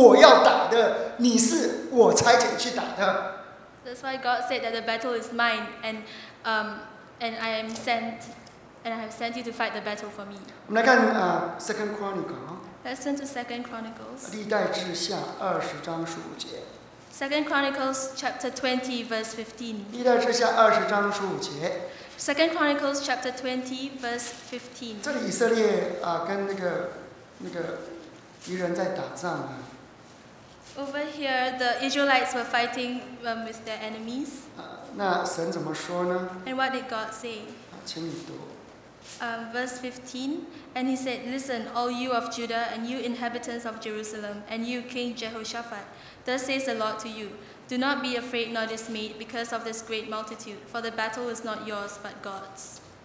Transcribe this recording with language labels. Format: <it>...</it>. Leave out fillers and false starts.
<zh>我这个战场是我的，是我要打的，你是我差遣去打的。</zh> <en>That's why God said that the battle is mine and I am sent. And I have sent you to fight the battle for me.</en> <zh>我们来看</zh> <en>Second Chronicle. Let's turn to Second Chronicles.</en> <zh>历代志下20章15节.</zh> <en>Second Chronicles chapter 20 verse 15.</en> <zh>历代志下20章15节.</zh> <en>Second Chronicles chapter 20 verse 15.</en> <zh>这里以色列跟那个敌人在打仗啊。</zh> <en>Over here, the Israelites were fighting with their enemies.</en> <zh>那神怎么说呢？</zh> <en>And what did God say?</en> <zh>请你读。</zh> <en>Verse 15, and he said, Listen, all you of Judah, and you inhabitants of Jerusalem, and you, King Jehoshaphat, thus says the Lord to you, Do not be afraid nor dismayed because of this great multitude, for the battle is not yours, but God's.</en>